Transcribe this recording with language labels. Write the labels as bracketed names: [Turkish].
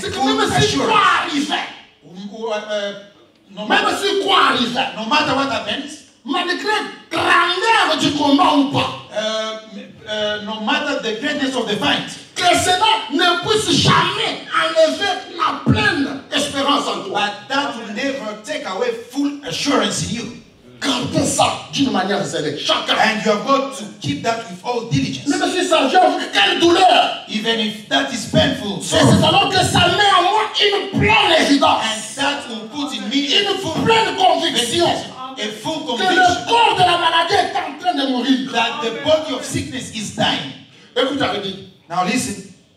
[French] c'est full même assurance si même si quoi arrive [English] no matter what happens [French] malgré grandeur du combat ou pas [English] no matter the greatness of the fight. [French] Que cela ne puisse jamais enlever ma pleine espérance en toi. [English] But that will never take away full assurance in you. [French] Gardez ça d'une manière zélée. Chacun. [English] And you are going to keep that with all diligence. [French] Même si ça j'avoue, quelle douleur. [English] Even if that is painful. [French] C'est alors que ça met en moi une pleine évidence. [English] And that will put in me [French] une pleine conviction. [English] A full conviction. [French] Que le corps de la maladie est en train de mourir. [English] That the body of sickness is dying. [French] Écoute, j'avais dit. [English] Now listen.